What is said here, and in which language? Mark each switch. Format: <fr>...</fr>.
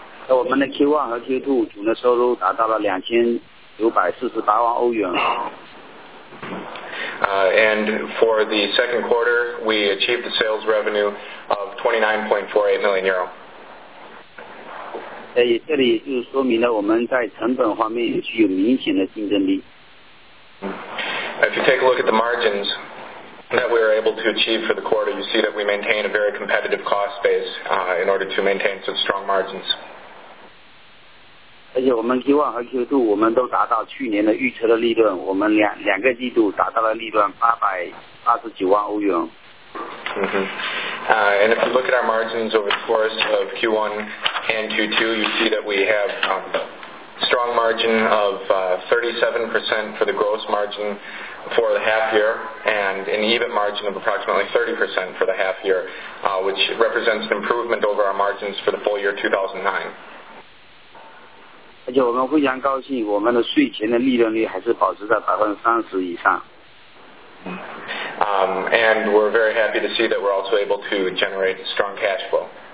<zh>我们的 Q1 和 Q2 总的收入达到了 2,948万欧元。</zh> <en>And for the second quarter, we achieved a sales revenue of 29.48 million euro.</en> <zh>这里就说明了我们在成本方面具有明显的竞争力。</zh> <en>If you take a look at the margins that we are able to achieve for the quarter, you see that we maintain a very competitive cost base in order to maintain some strong margins.</en> <zh>而且我们 Q1 和 Q2 我们都达到去年的预测的利润，我们两个季度达到了利润 889万欧元。</zh> <en>And if you look at our margins over the course of Q1 and Q2, you see that we have a strong margin of 37% for the gross margin for the half year and an EBIT margin of approximately 30% for the half year, which represents an improvement over our margins for the full year 2009.</en> <zh>而且我们非常高兴我们的税前的利润率还是保持在30%以上。</zh> <en>And we're very happy to see that we're also able to generate strong cash flow.</en>